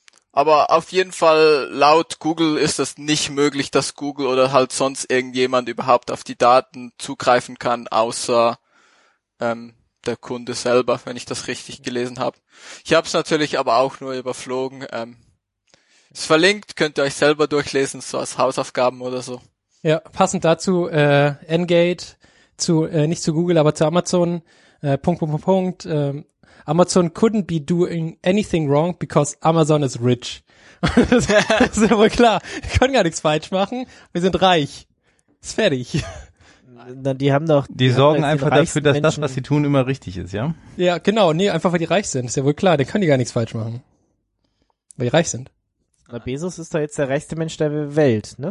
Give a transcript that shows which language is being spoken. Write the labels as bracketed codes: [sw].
[de] Aber auf jeden Fall laut Google ist es nicht möglich, dass Google oder halt sonst irgendjemand überhaupt auf die Daten zugreifen kann, außer der Kunde selber, wenn ich das richtig gelesen habe. Ich habe es natürlich aber auch nur überflogen. Es verlinkt, könnt ihr euch selber durchlesen, so als Hausaufgaben oder so. Ja, passend dazu, Engate zu nicht zu Google, aber zu Amazon. [en] Amazon couldn't be doing anything wrong because Amazon is rich. [de] Das ist ja wohl klar. Wir können gar nichts falsch machen. Wir sind reich. Ist fertig. Die haben doch. Die sorgen einfach dafür, dass das, was sie tun, immer richtig ist, ja? Ja, genau. Nee, einfach weil die reich sind. Ist ja wohl klar. Dann können die gar nichts falsch machen. Weil die reich sind. Aber Bezos ist doch jetzt der reichste Mensch der Welt, ne?